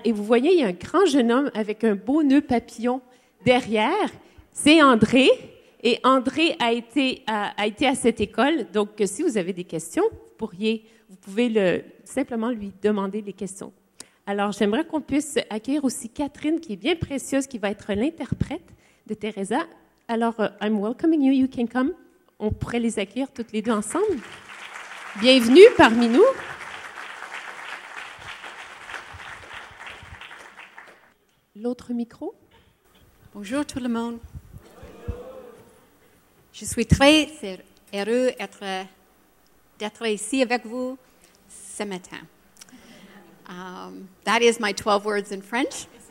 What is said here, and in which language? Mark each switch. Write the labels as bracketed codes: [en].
[fr] Et vous voyez, il y a un grand jeune homme avec un beau nœud papillon derrière, c'est André. Et André a été à cette école, donc si vous avez des questions, vous pouvez simplement lui demander les questions. Alors, j'aimerais qu'on puisse accueillir aussi Catherine, qui est bien précieuse, qui va être l'interprète de Teresa. [en] Alors, I'm welcoming you, you can come. [fr] On pourrait les accueillir toutes les deux ensemble. Bienvenue parmi nous. L'autre micro. Bonjour tout le monde. Je suis très heureux d'être ici avec vous ce matin. [en] That is my 12 words in French.